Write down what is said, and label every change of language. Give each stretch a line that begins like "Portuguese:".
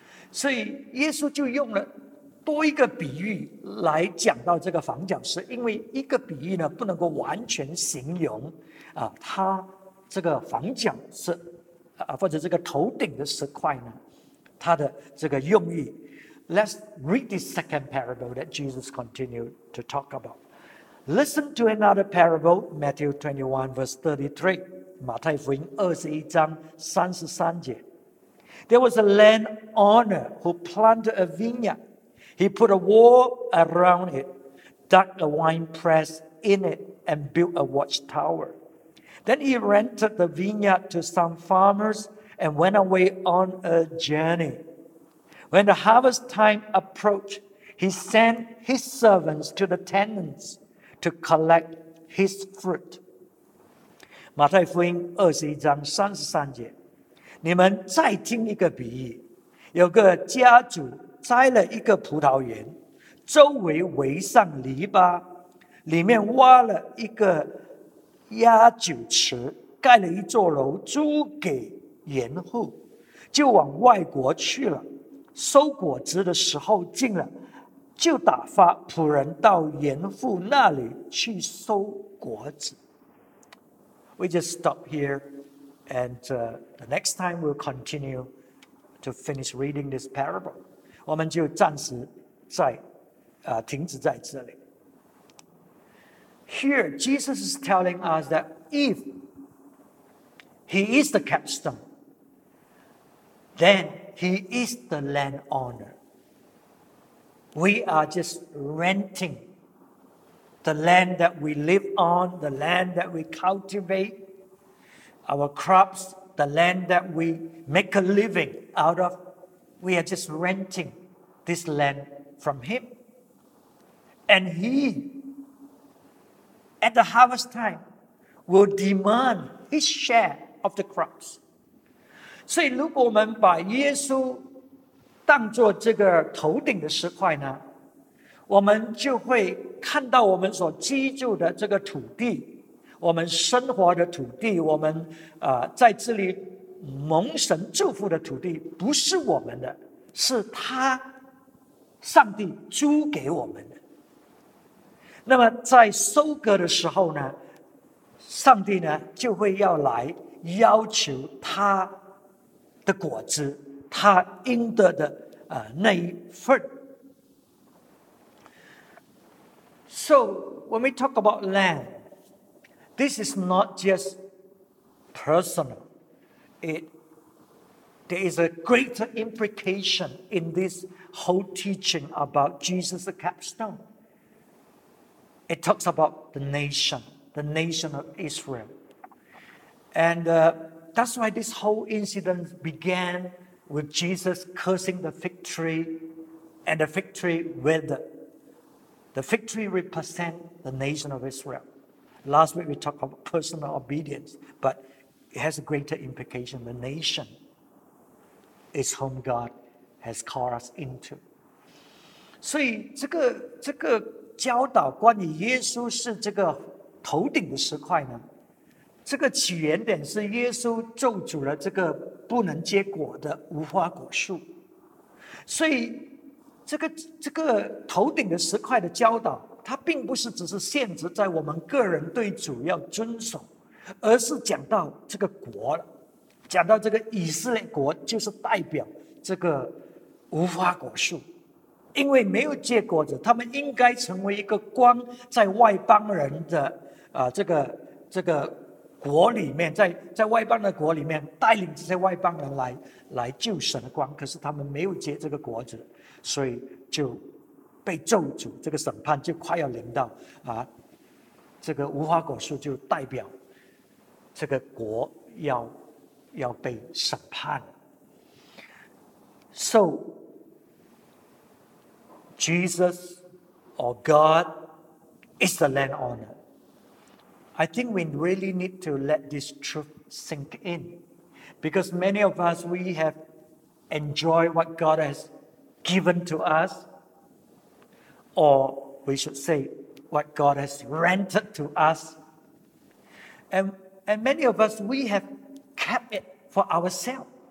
Chinese: 所以耶稣就用了多一个比喻来讲到这个房角石，因为一个比喻呢不能够完全形容他这个房角石或者这个头顶的石块呢他的这个用意。
English: Let's read the second parable that Jesus continued to talk about. Listen to another parable, Matthew 21, verse 33.
Chinese: 马太福音21章33节。
English: There was a landowner who planted a vineyard. He put a wall around it, dug a wine press in it, and built a watchtower. Then he rented the vineyard to some farmers and went away on a journey. When the harvest time approached, he sent his servants to the tenants to collect his fruit.
Chinese: 马太福音21章33节，你们再听一个比喻，有个家主栽了一个葡萄园，周围围上篱笆，里面挖了一个压酒池，盖了一座楼租给园户，就往外国去了。收果子的时候近了，就打发仆人到严父那里去收果子。
English: We just stop here, and the next time we'll continue to finish reading this parable.
Chinese: 我们就暂时在停止在这里。
English: Here Jesus is telling us that if he is the capstone, thenHe is the landowner. We are just renting the land that we live on, the land that we cultivate, our crops, the land that we make a living out of, we are just renting this land from him. And he, at the harvest time, will demand his share of the crops.
Chinese: 所以如果我们把耶稣当作这个头顶的石块呢，我们就会看到我们所居住的这个土地，我们生活的土地，我们在这里蒙神祝福的土地，不是我们的，是他上帝租给我们的。那么在收割的时候呢，上帝呢就会要来要求他的果子，他应得的那一份。
English: So when we talk about land, this is not just personal. There is a greater implication in this whole teaching about Jesus the capstone. It talks about the nation of Israel. And that's why this whole incident began with Jesus cursing the fig tree and the fig tree withered. The fig tree represents the nation of Israel. Last week we talked about personal obedience, but it has a greater implication. The nation is whom God has called us into.
Chinese: 所以这个教导关于耶稣是这个头顶的石块呢，这个起源点是耶稣咒诅了这个不能结果的无花果树。所以这个头顶的石块的教导，它并不是只是限制在我们个人对主要遵守，而是讲到这个国了，讲到这个以色列国就是代表这个无花果树，因为没有结果子，他们应该成为一个光在外邦人的这个国里面，在外邦的国里面带领这些外邦人来救神的光，可是他们没有结这个果子，所以就被咒诅，这个审判就快要临到这个无花果树就代表这个国要被审判。
English: So Jesus or God is the land owner. I think we really need to let this truth sink in, because many of us, we have enjoyed what God has given to us, or we should say what God has rented to us, and many of us, we have kept it for ourselves.